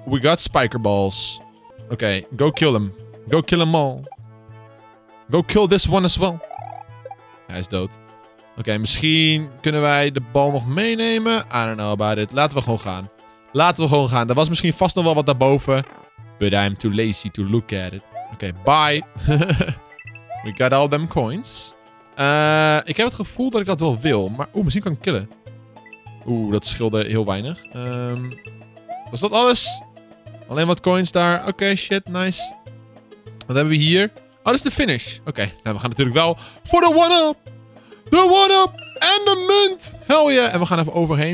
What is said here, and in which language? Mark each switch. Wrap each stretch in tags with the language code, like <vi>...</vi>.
<en>We got spikerballs. Oké. Okay, go kill him. Go kill them all. Go kill this one as well.</en> <nl>Hij is dood.</nl> <en>Oké.</en> <nl>Okay, misschien kunnen wij de bal nog meenemen.</nl> <en>I don't know about it.</en> <nl>Laten we gewoon gaan. Laten we gewoon gaan. Er was misschien vast nog wel wat daarboven.</nl> <en>But I'm too lazy to look at it. Oké. Okay, bye. We got all them coins.</en> <nl>Ik heb het gevoel dat ik dat wel wil. Maar, oeh, misschien kan ik killen. Oeh, dat scheelde heel weinig. Was dat alles? Alleen wat coins daar. Oké, okay, shit, nice. Wat hebben we hier? Oh, dat is de finish. Oké, okay, nou, we gaan natuurlijk wel voor de 1-up. De 1-up en de munt. Hell yeah. En we gaan even overheen.</nl>